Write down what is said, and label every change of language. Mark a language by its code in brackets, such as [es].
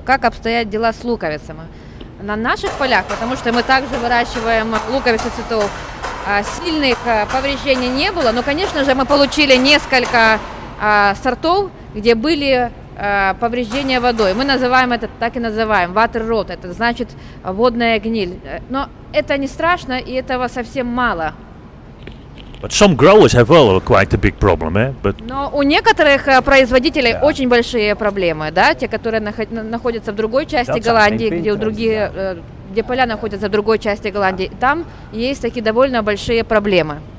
[ru] Как обстоят дела с луковицами? На наших полях, потому что мы также выращиваем луковицы цветов, сильных повреждений не было. Но, конечно же, мы получили несколько сортов, где были повреждения водой. Мы называем это, так и называем, [en] water rot. [ru] Это значит водная гниль. Но это не страшно, и этого совсем мало. [en] But some growers have well quite a big problem, eh? But [ru] no, у некоторых производителей очень большие проблемы, да, те, которые находятся в другой части Голландии, где другие, где поля находятся в другой части Голландии. Там есть такие довольно большие проблемы.